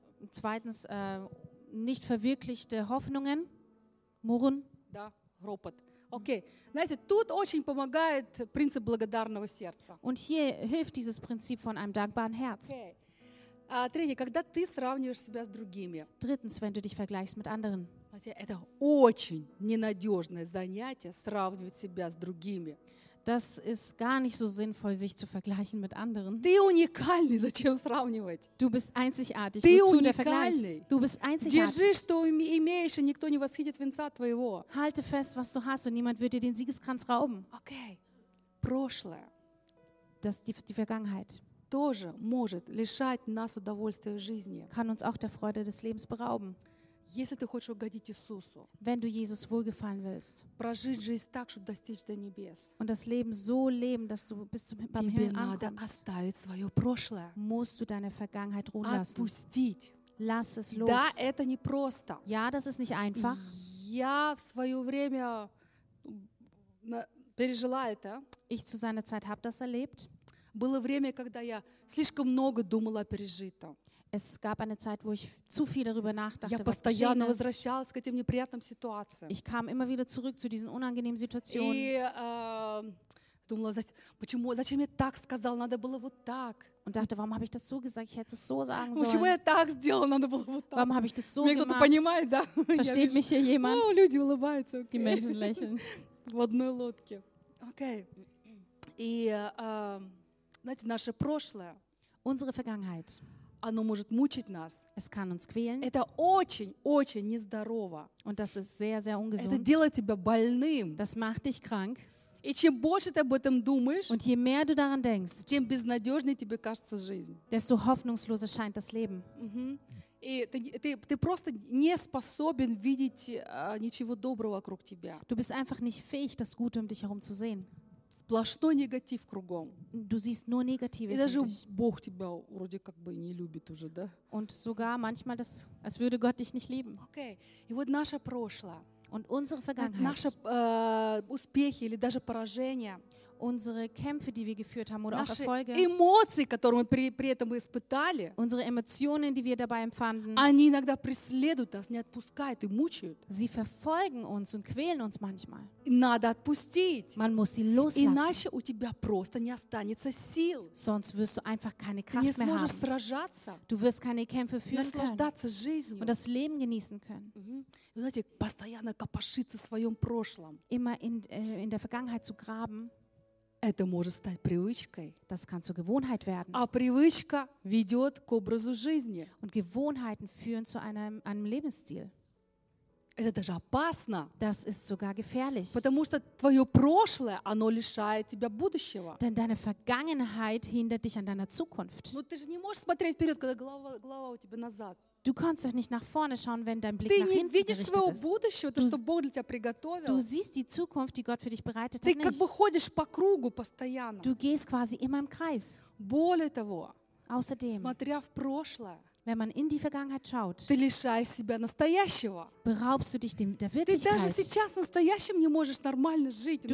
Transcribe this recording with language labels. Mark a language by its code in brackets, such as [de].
[de] Zweitens, nicht verwirklichte Hoffnungen, Murren. [ru] Да, ропот. Okay, знаете, тут очень помогает принцип благодарного сердца. [de] Und hier hilft dieses Prinzip von einem dankbaren Herz. Okay. [ru] Третье, когда ты сравниваешь себя с другими. [de] Drittens, wenn du dich vergleichst mit anderen. [ru] Это очень ненадежное занятие, сравнивать себя с другими. [de] Das ist gar nicht so sinnvoll, sich zu vergleichen mit anderen. [ru] Ты уникальный, зачем сравнивать? [de] Du bist einzigartig. [ru] Ты [de] wozu [ru] уникальный. [de] Der Vergleich? Du bist einzigartig. [ru] Держи, что имеешь, и никто не восхитит венца твоего. [de] Halte fest, was du hast, und niemand wird dir den Siegeskranz rauben. [ru] Okay. Прошлое. [de] Das die Vergangenheit. [ru] Тоже может лишать нас удовольствия жизни. [de] Kann uns auch der Freude des Lebens berauben. [ru] Если ты хочешь угодить Иисусу, [de] wenn du Jesus wohlgefallen willst, [ru] прожить жизнь так, чтобы достичь до небес, [de] und das Leben so leben, dass du bis zum Himmel ankommst, [ru] тебе надо оставить свое прошлое, [de] musst du deine Vergangenheit ruhen lassen, [ru] отпустить, [de] lass es los. [ru] Да, это не просто. [de] Ja, das ist nicht einfach. [ru] Я в свое время пережила это. [de] Ich zu seiner Zeit habe das erlebt. [ru] Было время, когда я слишком много думала о пережитом. [de] Es gab eine Zeit, wo ich zu viel darüber nachdachte. [ru] Я постоянно возвращалась к этим неприятным ситуациям. [de] Ich kam immer wieder zurück zu diesen unangenehmen Situationen. [ru] Думала, зачем я так сказал, надо было вот так. [de] Und dachte, warum habe ich das so gesagt? Ich hätte es so sagen sollen. [ru] Почему я так сделал, надо было вот так. [de] Warum habe ich das so gemacht? [ru] Кто-то понимает, да? [de] Versteht mich hier jemand? [ru] Oh, люди улыбаются. [de] Okay. Die Menschen lächeln. [ru] В одной лодке. Okay. И, знаете, наше прошлое. [de] Unsere Vergangenheit. [ru] Оно может мучить нас. [de] Es kann uns quälen. [ru] Это очень-очень нездорово. [de] Und das ist sehr, sehr ungesund. [ru] Это делает тебя больным. [de] Das macht dich krank. [ru] И чем больше ты об этом думаешь, [de] und je mehr du daran denkst, [ru] тем безнадежнее тебе кажется жизнь. [de] Desto hoffnungsloser scheint das Leben. Mm-hmm. [ru] И ты просто не способен видеть ничего доброго вокруг тебя. [de] Du bist einfach nicht fähig, das Gute um dich herum zu sehen. [ru] Сплошной негатив кругом. [de] Du siehst nur Negatives. [ru] И даже Бог тебя вроде как бы не любит уже, да? [de] Und sogar manchmal, das, als würde Gott dich nicht lieben. [ru] Okay. И вот наше прошлое. [de] Und unsere Vergangenheit. [ru] Наши успехи или даже поражения. [de] unsere Kämpfe, die wir geführt haben, oder [ru] наши [de] auch Erfolge, [ru] эмоции, которые мы при этом испытали, [de] unsere Emotionen, die wir dabei empfanden, [ru] они иногда преследуют нас, не отпускают и мучают. [de] Sie verfolgen uns und quälen uns manchmal. [ru] Надо отпустить. [de] Man muss sie loslassen. [ru] Иначе у тебя просто не останется сил. [de] Sonst wirst du einfach keine Kraft mehr haben. Du [ru] сможешь сражаться. [de] Du wirst keine Kämpfe führen können. [ru] Наслаждаться жизнью. [de] Und das Leben genießen können. [ru] Вы знаете, постоянно копошиться в своем прошлом. [de] Immer in der Vergangenheit zu graben. [ru] Это может стать привычкой. [de] Das kann zur Gewohnheit werden. [ru] А привычка ведет к образу жизни. [de] Und Gewohnheiten führen zu einem Lebensstil. [ru] Это даже опасно. [de] Das ist sogar gefährlich. [ru] Потому что твое прошлое, оно лишает тебя будущего. [de] Denn deine Vergangenheit hindert dich an deiner Zukunft. [ru] Но ты же не можешь смотреть вперед, когда голова у тебя назад. [de] Du kannst doch nicht nach vorne schauen, wenn dein Blick nach hinten gerichtet ist. Du siehst die Zukunft, die Gott für dich bereitet hat, nicht. Du gehst quasi immer im Kreis. Außerdem, wenn man in die Vergangenheit schaut, beraubst du dich der Wirklichkeit.